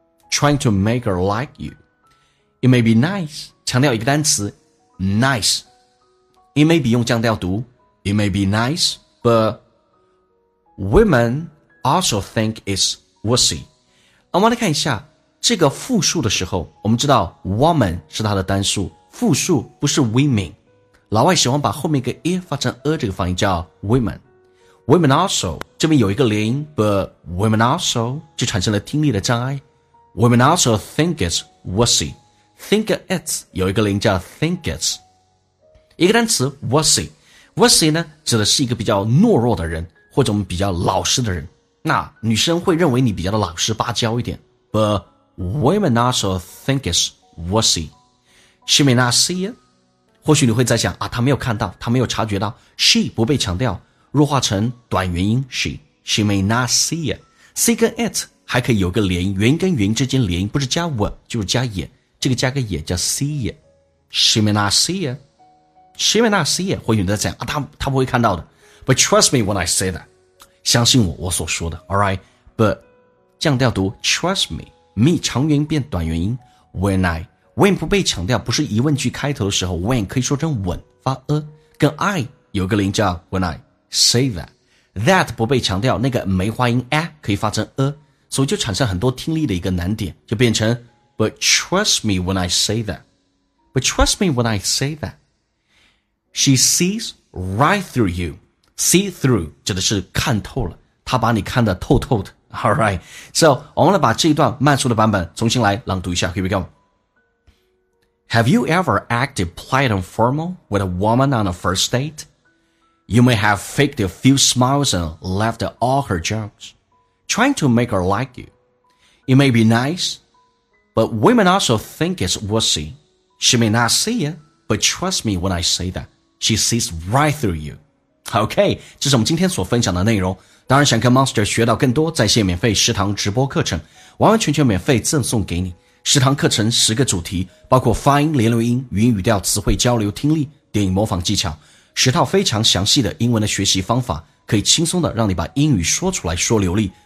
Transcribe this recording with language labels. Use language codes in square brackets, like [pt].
[en] Trying to make her like you It may be nice， [zh] 强调一个单词 [en] nice， It may be [zh] 用降调读， [en] It may be nice but women also think it's wussy。 [zh] 我们来看一下这个复数的时候，我们知道 woman 是它的单数，复数不是 women， 老外喜欢把后面一个 a 发成 a， 这个发音叫 women。 women also 这边有一个连音， but women also 就产生了听力的障碍。 women also think it's wussy， think it 有一个连音叫 think it， 一个单词 wussy， wussy 呢指的是一个比较懦弱的人，或者我们比较老实的人，那女生会认为你比较的老实巴交一点。 [en] But women also think it's wussy. She may not see it. [zh] 或许你会在想啊，她没有看到，她没有察觉到。She 不被强调，弱化成短元音 She. [en] She may not see it. [zh] See 跟 it 还可以有个连音，元音跟元音之间连音，不是加 w 就是加也，这个加个也叫 see it. [en] She may not see it. She may not see it. [zh] 或许你在想啊，她不会看到的。 [en] But trust me when I say that. [zh] 相信我，我所说的 ，alright， but 降调读 ，trust me， 长元音变短元音 ，when 不被强调，不是疑问句开头的时候 ，when 可以说成 when 发 a， 跟 I 有个连音叫 when I say that， that 不被强调，那个梅花音 a 可以发成 a， 所以就产生很多听力的一个难点，就变成 [en] but trust me when I say that， [zh] but trust me when I say that， [en] she sees right through you， [zh] see through 指的是看透了，她把你看得透透的。 All right， so 我们来把这一段慢速的版本重新来朗读一下。 [en] Here we go。 Have you ever acted polite and formal with a woman on a first date? You may have faked a few smiles and laughed at all her jokes, trying to make her like you. It may be nice, but women also think it's wussy. She may not see it, but trust me when I say that. She sees right through you. [zh] Okay, 这是我们今天所分享的内容。当然想跟 Monster 学到更多在线免费食堂直播课程，完完全全免费赠送给你。食堂课程十个主题，包括发音、连读音、语音语调、词汇交流、听力、电影模仿技巧，十套非常详细的英文的学习方法，可以轻松的让你把英语说出来说流利。